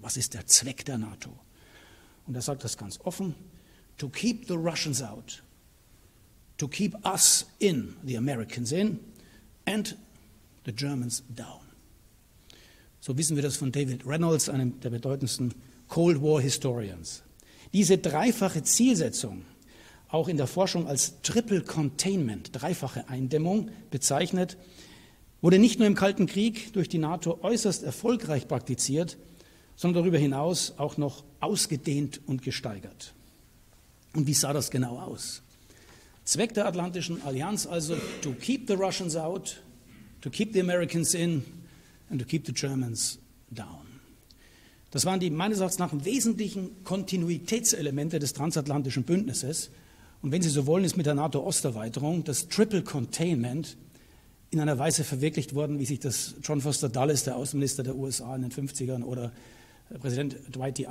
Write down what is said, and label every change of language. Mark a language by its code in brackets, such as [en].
[de] Was ist der Zweck der NATO? Und er sagt das ganz offen. [en] To keep the Russians out. To keep us in, the Americans in, and the Germans down. [de] So wissen wir das von David Reynolds, einem der bedeutendsten Cold War Historians. Diese dreifache Zielsetzung, auch in der Forschung als Triple Containment, dreifache Eindämmung, bezeichnet, wurde nicht nur im Kalten Krieg durch die NATO äußerst erfolgreich praktiziert, sondern darüber hinaus auch noch ausgedehnt und gesteigert. Und wie sah das genau aus? Zweck der Atlantischen Allianz also, [en] to keep the Russians out, to keep the Americans in and to keep the Germans down. [de] Das waren die meines Erachtens nach wesentlichen Kontinuitätselemente des transatlantischen Bündnisses. Und wenn Sie so wollen, ist mit der NATO-Osterweiterung das Triple Containment in einer Weise verwirklicht worden, wie sich das John Foster Dulles, der Außenminister der USA in den 50ern, oder Präsident Dwight D.